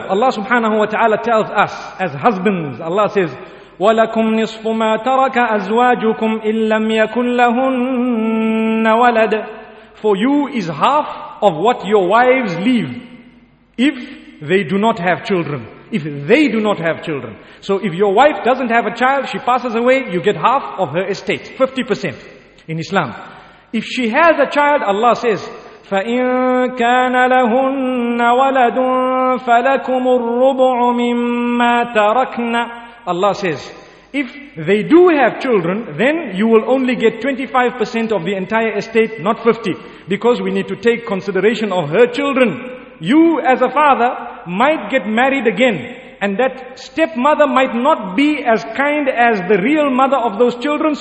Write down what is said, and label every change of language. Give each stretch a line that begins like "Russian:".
English: Allah subhanahu wa ta'ala tells us, as husbands, Allah says,
Arabic: وَلَكُمْ نِصْفُ مَا تَرَكَ أَزْوَاجُكُمْ إِنْ لَمْ يَكُنْ لَهُنَّ وَلَدٌ.
English: For you is half of what your wives leave if they do not have children. If they do not have children. So if your wife doesn't have a child, she passes away, you get half of her estate. 50% in Islam. If she has a child, Allah says,
Arabic: فَإِنْ كَانَ لَهُنَّ وَلَدٌ فَلَكُمُ الرُّبُعُ مِمَّا تَرَكْنَا.
English: Allah says, if they do have children, then you will only get 25% of the entire estate, not 50. Because we need to take consideration of her children. You as a father might get married again, and that stepmother might not be as kind as the real mother of those children.